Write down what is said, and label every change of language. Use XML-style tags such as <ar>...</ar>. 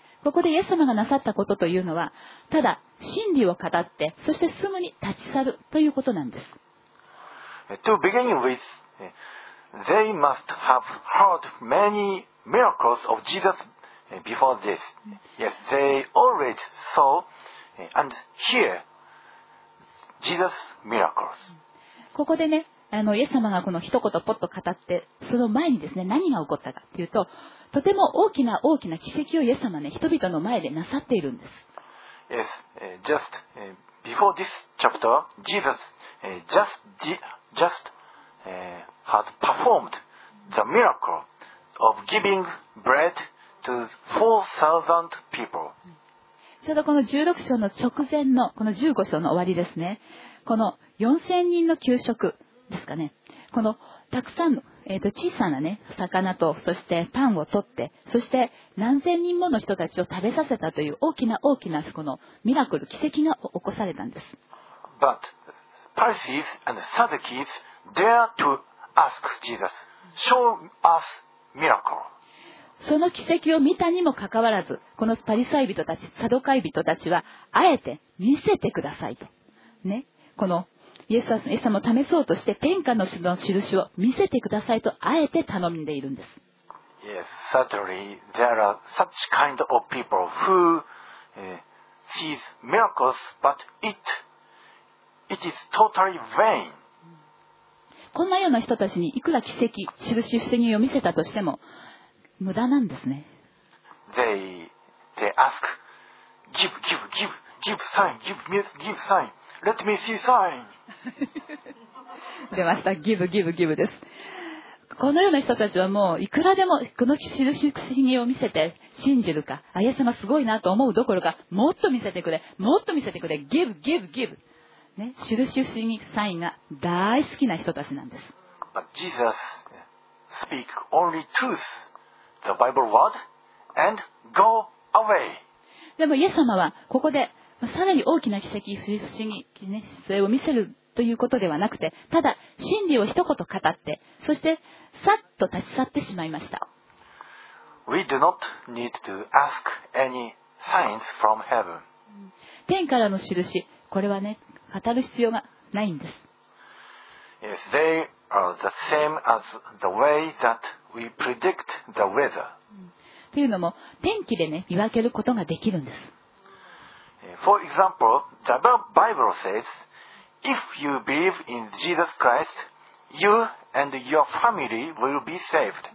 <ja>ここでイエス様がなさったことというのは、ただ真理を語って、そしてすぐに立ち去るということなんです。</ja> <en>To begin with, they must have heard many miracles of Jesus before this. Yes, they already saw and hear Jesus' miracles.</en> <ja>ここでね、イエス様がこの一言ポッと語ってその前にですね、何が起こったかというと、とても大きな大きな奇跡をイエス様ね、人々の前でなさっているんです。</ja> <en>Yes, just before this chapter, Jesus just had performed the miracle of giving bread to 4,000 people.</en> <ja>ちょうどこの16章の直前のこの15章の終わりですね。この4000人の給食ですかね。このたくさんの小さなね魚とそしてパンを取ってそして何千人もの人たちを食べさせたという大きな大きなこのミラクル奇跡が起こされたんです。</ja> <en>But Pharisees and Sadducees dare to ask Jesus, show us miracle.</en> <ja>その奇跡を見たにもかかわらずこのパリサイ人たちサドカイ人たちはあえて見せてくださいとねこのイエス様を試そうとして天下の印を見せてくださいとあえて頼んでいるんです。</ja> <en>Yes, certainly there are such kind of people who sees miracles, but it is totally vain.</en> <ja>こんなような人たちにいくら奇跡、印、不思議を見せたとしても無駄なんですね。</ja> <en>They ask, give sign, give sign, let me see sign.</en> <ja>出ましたギブギブギブです。このような人たちはもういくらでもこの印不思議を見せて信じるかイエス様すごいなと思うどころかもっと見せてくれもっと見せてくれギブギブギブ、ね、印不思議サインが大好きな人たちなんです。</ja> <en>But Jesus speak only truth, the Bible word, and go away.</en> <ja>でもイエス様はここでさらに大きな奇跡不思議ね、それを見せるということではなくてただ真理を一言語ってそしてさっと立ち去ってしまいました。</ja> <en>We do not need to ask any signs from heaven.</en> <ja>天からの印これはね語る必要がないんです。</ja> <en>Yes, they are the same as the way that we predict the weather.</en> <ja>というのも天気でね見分けることができるんです。</ja> <en>For example, the Bible says, if you believe in Jesus Christ, you and your family will be saved.</en>